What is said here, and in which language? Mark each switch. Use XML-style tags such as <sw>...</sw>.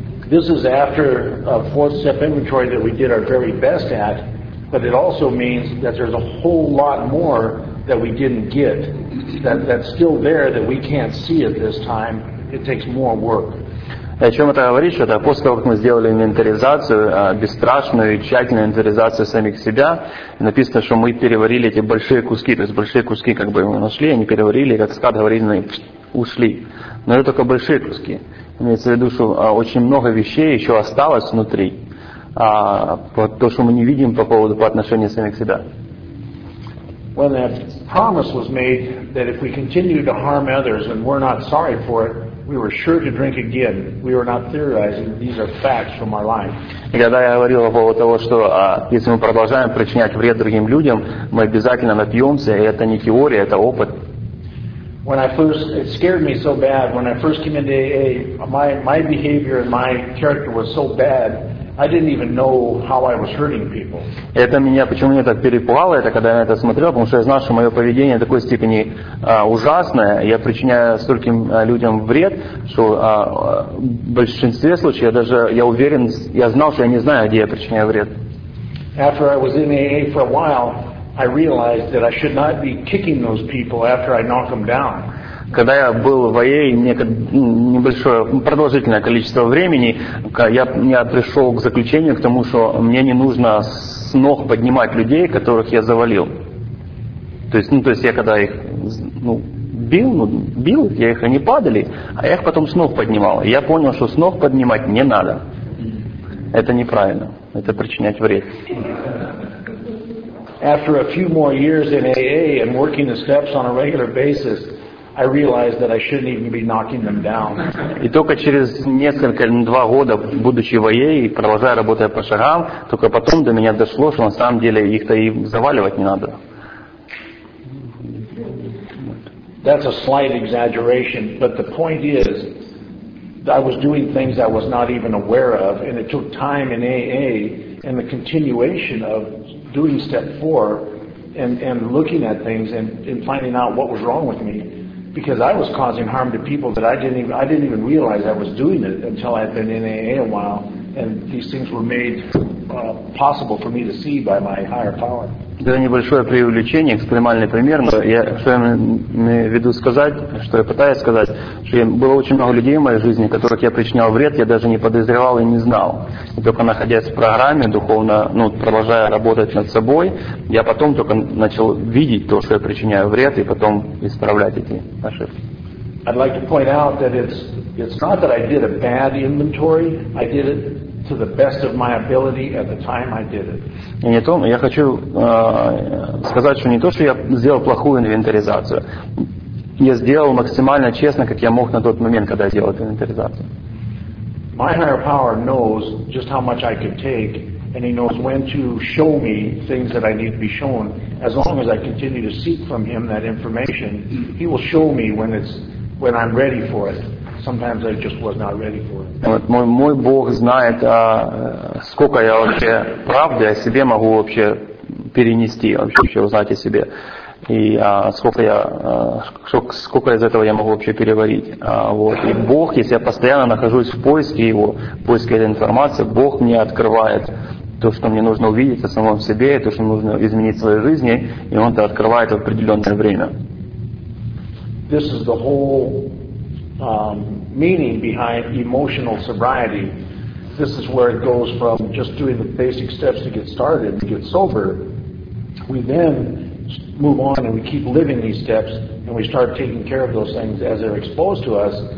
<en>This is after a fourth step inventory that we did our very best at, but it also means that there's a whole lot more that we didn't get, that's still there that we can't see at this time. It takes more work.</en> <ru>О чем это говорит, что это после того, как мы сделали инвентаризацию, бесстрашную и тщательную инвентаризацию самих себя, написано, что мы переварили эти большие куски, то есть большие куски как бы мы нашли, они переварили, как Скат говорит, они ушли. Но это только большие куски. Имеется в виду, что очень много вещей еще осталось внутри, то, что мы не видим по отношению самих себя.</ru> <en>When that promise was made that if we continue to harm others and we're not sorry for it, we were sure to drink again. We were not theorizing. These are facts from our life.</en> <ru>Когда я говорил по поводу того, что если мы продолжаем причинять вред другим людям, мы обязательно напьемся, и это не теория, это опыт.</ru> <en>When I first, it scared me so bad. When I first came into AA, my behavior and my character was so bad, I didn't even know how I was hurting people.</en> <ru>Это меня, почему меня так перепугало, это когда я на это смотрел, потому что я знал, что мое поведение в такой степени ужасное, я причиняю стольким людям вред, что в большинстве случаев я знал, что я не знаю, где я причиняю вред.</ru> <en>After I was in AA for a while, I realized that I should not be kicking those people after I knock them down.</en> <ru>Когда я был в АЕ, небольшое продолжительное количество времени, я пришел к заключению, к тому, что мне не нужно с ног поднимать людей, которых я завалил. То есть я когда их бил, я их, они падали, а я их потом с ног поднимал. Я понял, что с ног поднимать не надо. Это неправильно. Это причинять вред.</ru> <en>After a few more years in AA and working the steps on a regular basis, I realized that I shouldn't even be knocking them down.</en> <ru>И только через несколько, два года, будучи в АЕ и продолжая работать по шагам, только потом до меня дошло, что на самом деле их-то и заваливать не надо.</ru> <en>That's a slight exaggeration, but the point is, I was doing things I was not even aware of, and it took time in AA and the continuation of doing step four and looking at things and finding out what was wrong with me. Because I was causing harm to people that I didn't even realize I was doing it until I had been in AA a while, and these things were made possible for me to see by my higher power.</en> <ru>Это небольшое преувеличение, экстремальный пример, но я что имею в виду сказать, что я пытаюсь сказать, что было очень много людей в моей жизни, которых я причинял вред, я даже не подозревал и не знал. И только находясь в программе, духовно, продолжая работать над собой, я потом только начал видеть то, что я причиняю вред, и потом исправлять эти ошибки.</ru> <en>I'd like to point out that it's not that I did a bad inventory, I did it to the best of my ability at the time I did it.</en> <ru>И не то, я хочу сказать, что не то, что я сделал плохую инвентаризацию. Я сделал максимально честно, как я мог на тот момент, когда я сделал эту инвентаризацию.</ru> <en>My higher power knows just how much I can take, and he knows when to show me things that I need to be shown. As long as I continue to seek from him that information, he will show me when I'm ready for it. Sometimes I just was not ready for it.</en> <ru>Вот мой Бог знает, сколько я вообще правды о себе могу вообще перенести, вообще узнать о себе. и сколько из этого я могу вообще переварить. Вот. И Бог, если я постоянно нахожусь в поиске Его, в поиске этой информации, Бог мне открывает то, что мне нужно увидеть о самом себе, и то, что нужно изменить в своей жизни, и Он это открывает в определенное время.</ru> <en>This is the whole meaning behind emotional sobriety. This is where it goes from just doing the basic steps to get started, to get sober. We then move on and we keep living these steps and we start taking care of those things as they're exposed to us.</en>